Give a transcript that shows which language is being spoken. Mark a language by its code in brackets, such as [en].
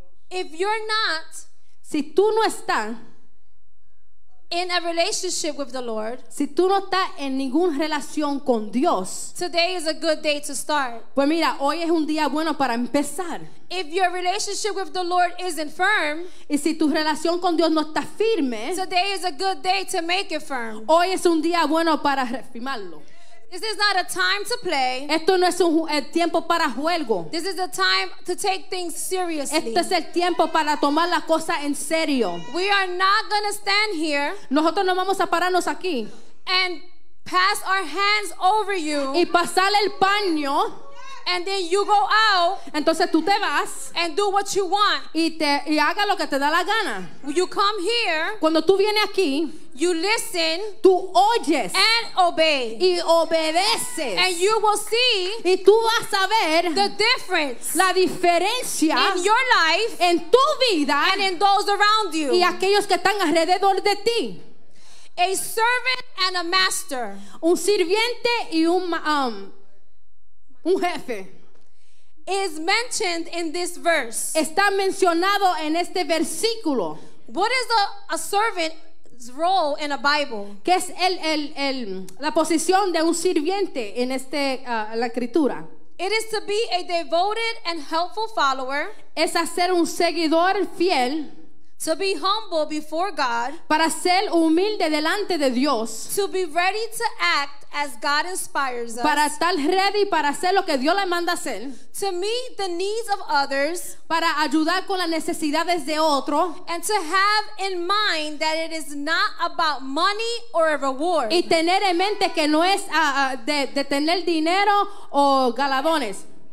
[en] If you're not. [es] Si tú no estás. [en] In a relationship with the Lord. [es] Si tú no estás en ninguna relación con Dios. [en] Today is a good day to start. [es] Pues mira, hoy es un día bueno para empezar. [en] If your relationship with the Lord isn't firm. [es] Y si tu relación con Dios no está firme. [en] Today is a good day to make it firm. [es] Hoy es un día bueno para reafirmarlo. [en] This is not a time to play. [es] Esto no es un tiempo para juego. [en] This is a time to take things seriously. [es] Este es el tiempo para tomar la cosa en serio. [en] We are not going to stand here. [es] Nosotros no vamos a pararnos aquí. [en] And pass our hands over you. [es] Y pasar el paño. [en] And then you go out. [es] Entonces tú te vas. [en] And do what you want. [es] Y haga lo que te da la gana. [en] You come here. [es] Cuando tú vienes aquí. [en] You listen. [es] Tú oyes. [en] And obey. [es] Y obedeces. [en] And you will see. [es] Y tú vas a ver. [en] The difference. [es] La diferencia. [en] In your life. [es] En tu vida. [en] And in those around you. [es] Y aquellos que están alrededor de ti. [en] A servant and a master. [es] Un sirviente y un jefe. [en] Is mentioned in this verse. [es] Está mencionado en este versículo. [en] What is a servant's role in a Bible? [es] ¿Qué es la posición de un sirviente en este la escritura? [en] It is to be a devoted and helpful follower. [es] Es hacer un seguidor fiel. [en] So be humble before God. [es] Para ser humilde delante de Dios. [en] To be ready to act as God inspires us. [es] Para estar ready para hacer lo que Dios le manda hacer. [en] To meet the needs of others. [es] Para ayudar con las necesidades de otro. [en] And to have in mind that it is not about money or a reward. [es] Y tener en mente que no es de tener dinero o galardones.